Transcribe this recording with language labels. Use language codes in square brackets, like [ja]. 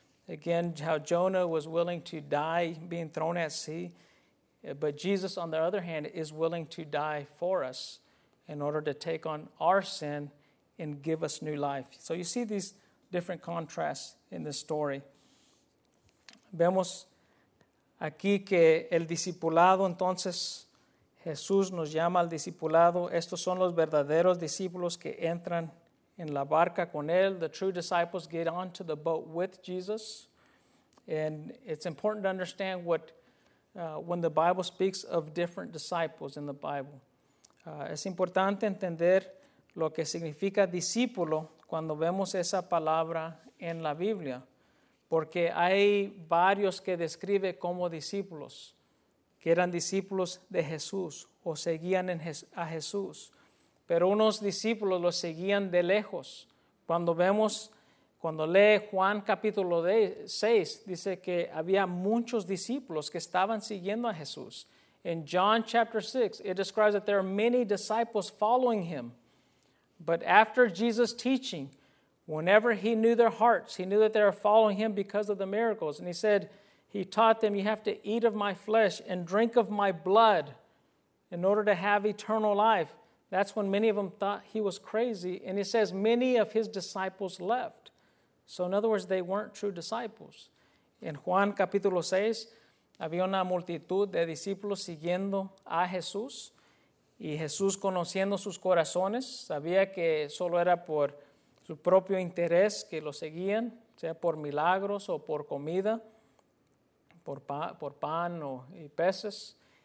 [en] Again, how Jonah was willing to die being thrown at sea, but Jesus, on the other hand, is willing to die for us in order to take on our sin and give us new life. So you see these different contrasts in this story. [es] Vemos aquí que el discipulado, entonces, Jesús nos llama al discipulado. Estos son los verdaderos discípulos que entran en la barca con él. [en] The true disciples get onto the boat with Jesus. And it's important to understand what when the Bible speaks of different disciples in the Bible. [es] Es importante entender lo que significa discípulo cuando vemos esa palabra en la Biblia. Porque hay varios que describe como discípulos, que eran discípulos de Jesús o seguían a Jesús. Pero unos discípulos los seguían de lejos. Cuando vemos, cuando lee Juan capítulo 6, dice que había muchos discípulos que estaban siguiendo a Jesús. [en] In John chapter 6, it describes that there are many disciples following him. But after Jesus' teaching, whenever he knew their hearts, he knew that they were following him because of the miracles. And he said, he taught them, you have to eat of my flesh and drink of my blood in order to have eternal life. That's when many of them thought he was crazy. And it says many of his disciples left. So in other words, they weren't true disciples. [es] In Juan capítulo 6, había una multitud de discípulos siguiendo a Jesús. Y Jesús, conociendo sus corazones, sabía que solo era por su propio interés que lo seguían, sea por milagros o por comida, por pan o y peces.